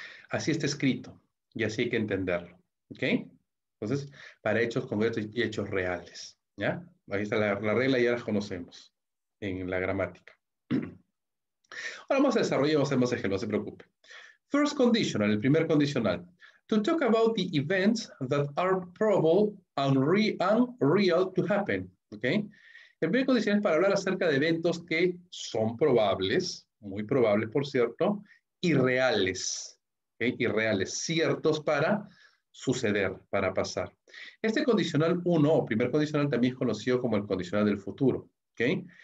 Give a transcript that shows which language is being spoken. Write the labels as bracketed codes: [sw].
[es] Así está escrito y así hay que entenderlo. ¿Ok? Entonces, para hechos concretos y hechos reales. ¿Ya? Ahí está la regla, ya la conocemos en la gramática. Ahora vamos a desarrollar, vamos a hacer más ejemplos, no se preocupe. [en] First conditional, [es] el primer condicional. [en] To talk about the events that are probable and real to happen. ¿Ok? [es] El primer condicional es para hablar acerca de eventos que son probables, muy probables, por cierto, irreales, ¿okay? Irreales, ciertos para suceder, para pasar. Este condicional 1, o primer condicional, también es conocido como el condicional del futuro. ¿Okay?